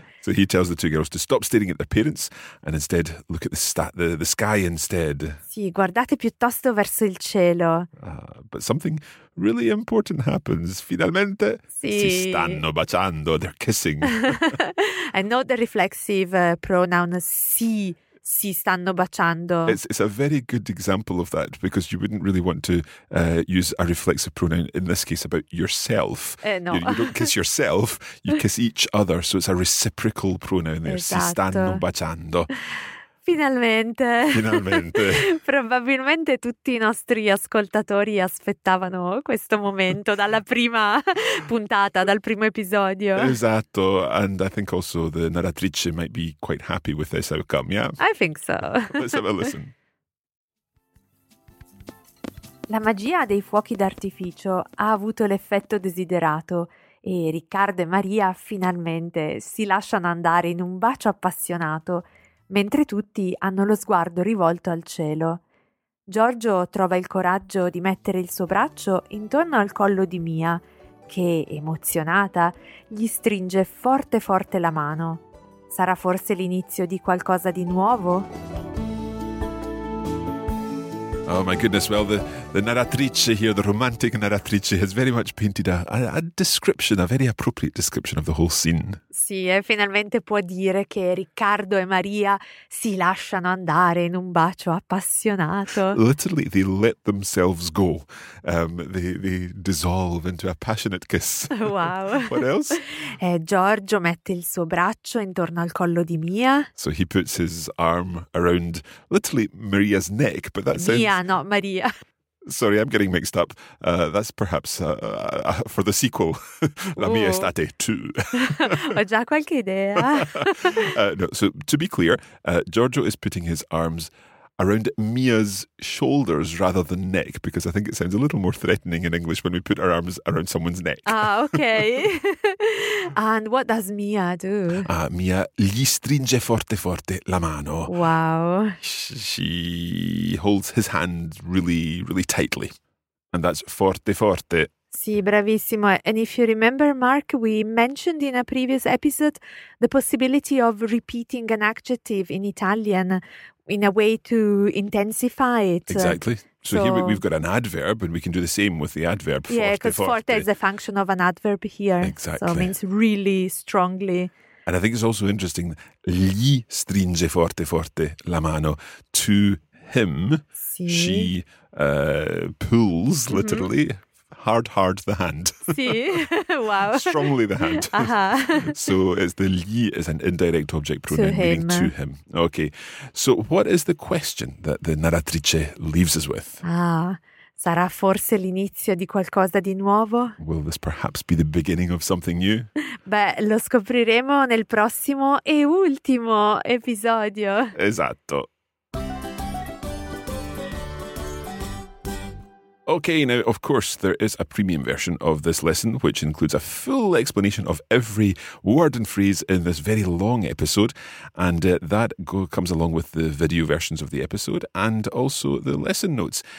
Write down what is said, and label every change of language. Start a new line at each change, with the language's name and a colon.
English: So he tells the two girls to stop staring at their parents and instead look at the sky instead.
Italian: Sì, guardate piuttosto verso il cielo.
English: But something really important happens.
Italian: Finalmente sì. Si stanno baciando,
English: they're kissing. And not the reflexive pronoun si.
Italian: Si stanno baciando.
English: It's a very good example of that, because you wouldn't really want to use a reflexive pronoun in this case about yourself. No. You don't kiss yourself, you kiss each other, so it's a reciprocal pronoun there.
Italian: Esatto. Si stanno baciando. Finalmente. Finalmente. Probabilmente tutti i nostri ascoltatori aspettavano questo momento dalla prima puntata, dal primo episodio. Esatto.
English: And I think also the narratrice might be quite happy with this outcome, yeah? I think so. Let's have a listen.
Italian: La magia dei fuochi d'artificio ha avuto l'effetto desiderato e Riccardo e Maria finalmente si lasciano andare in un bacio appassionato, mentre tutti hanno lo sguardo rivolto al cielo. Giorgio trova il coraggio di mettere il suo braccio intorno al collo di Mia, che, emozionata, gli stringe forte forte la mano. Sarà forse l'inizio di qualcosa di nuovo?
English: Oh my goodness, well, the narratrice here, the romantic narratrice, has very much painted a description, a very appropriate description of the whole scene.
Italian: Sì, e finalmente può dire che Riccardo e Maria si lasciano andare in un bacio appassionato.
English: Literally, they let themselves go. They dissolve into a passionate kiss. Wow. What else?
Italian: Giorgio mette il suo braccio intorno al collo di Mia.
English: So he puts his arm around, literally, Maria's neck, but that sounds... Yeah, not Maria. Sorry, I'm getting mixed up. That's perhaps for the sequel, La Mia Estate 2.
Italian: Ho già qualche idea.
English: No, so to be clear, Giorgio is putting his arms around Mia's shoulders rather than neck, because I think it sounds a little more threatening in English when we put our arms around someone's neck. Ah, okay. And what does Mia do?
Italian: Mia gli stringe forte forte la mano.
English: Wow. She holds his hand really, really tightly. And that's forte forte.
Italian: Sì, bravissimo.
English: And if you remember, Mark, we mentioned in a previous episode the possibility of repeating an adjective in Italian in a way to intensify it. Exactly. So here we've got an adverb, and we can do the same with the adverb forte. Yeah, because forte is a function of an adverb here. Exactly. So it means really strongly. And I think it's also interesting,
Italian: gli stringe forte forte la mano.
English: To him,
Italian: sì.
English: She pulls, literally, mm-hmm. hard the hand.
Italian: Sì, wow.
English: Strongly the hand. Uh-huh. So it's the gli is an indirect object pronoun, meaning him. To him. Okay, so what is the question that the narratrice leaves us with?
Italian: Sarà forse l'inizio di qualcosa di nuovo?
English: Will this perhaps be the beginning of something new?
Italian: Beh, lo scopriremo nel prossimo e ultimo episodio. Esatto.
English: Okay, now, of course, there is a premium version of this lesson, which includes a full explanation of every word and phrase in this very long episode. And comes along with the video versions of the episode and also the lesson notes.